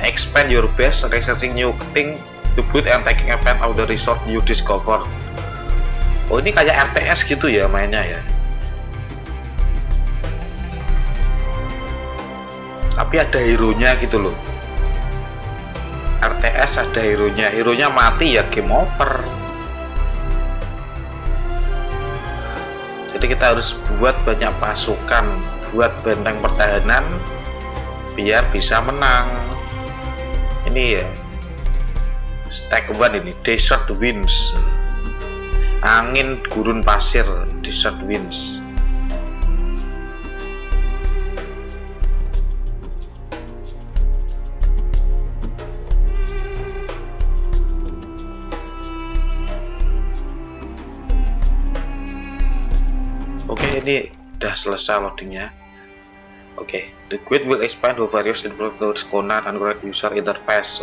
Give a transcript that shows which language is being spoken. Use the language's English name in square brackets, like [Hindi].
[English] Expand your base, researching new thing to build and taking advantage of the resource you discover. [Indonesian] Oh, ini kayak RTS gitu ya mainnya ya. Tapi ada hero-nya gitu loh. RTS ada hero-nya. Hero-nya mati ya game over. Jadi kita harus buat banyak pasukan, buat benteng pertahanan biar bisa menang. Ini ya. Stack one ini, Desert Winds. Angin gurun pasir, Desert Winds. Ini udah selesai loadingnya. [English] Oke, the grid will expand to various influence corner and correct user interface.